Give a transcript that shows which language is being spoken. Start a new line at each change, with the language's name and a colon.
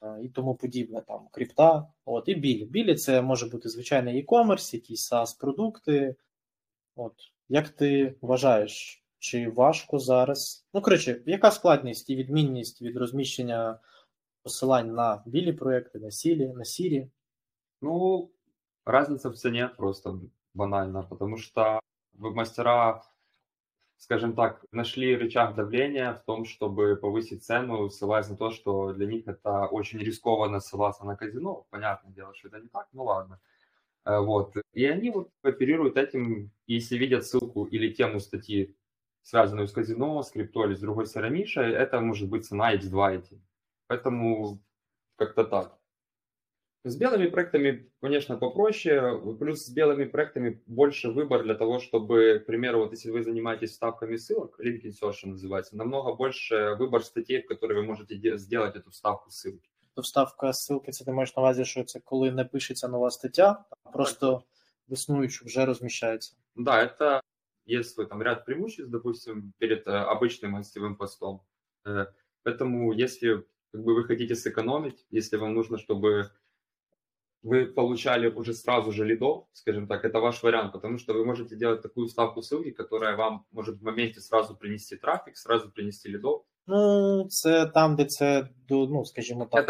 Ukrainian: І тому подібне, там, крипта, от, і білі. Білі це може бути звичайний e-commerce, якісь SaaS-продукти. От, як ти вважаєш, чи важко зараз? Ну, коротше, яка складність і відмінність від розміщення посилань на білі проекти, на сірі?
Russian: Ну, разница в цене просто банальна, потому что вы мастера, скажем так, нашли рычаг давления в том, чтобы повысить цену, ссылаясь на то, что для них это очень рискованно ссылаться на казино. Понятное дело, что это не так, ну ладно. Вот. И они вот оперируют этим, если видят ссылку или тему статьи, связанную с казино, с крипто или с другой серой нишей, это может быть цена X2 эти. Поэтому как-то так. С белыми проектами, конечно, попроще. Плюс с белыми проектами больше выбор для того, чтобы, к примеру, вот если вы занимаетесь вставками ссылок, link insertion называется, намного больше выбор статей, в которые вы можете сделать эту вставку ссылки.
Ukrainian: То вставка ссылки, це ти маєш на увазі, що це коли не пишеться нова стаття, а просто в існуючу вже розміщається.
Russian: Да, это есть свой там ряд преимуществ, допустим, перед обычным гостевым постом. Поэтому, если как бы, вы хотите сэкономить, если вам нужно, чтобы вы получали уже сразу же лидов, скажем так, это ваш вариант, потому что вы можете делать такую ставку ссылки, которая вам может в моменте сразу принести трафик, сразу принести лидов.
Ukrainian: Ну, це там, де це до, ну, скажімо так.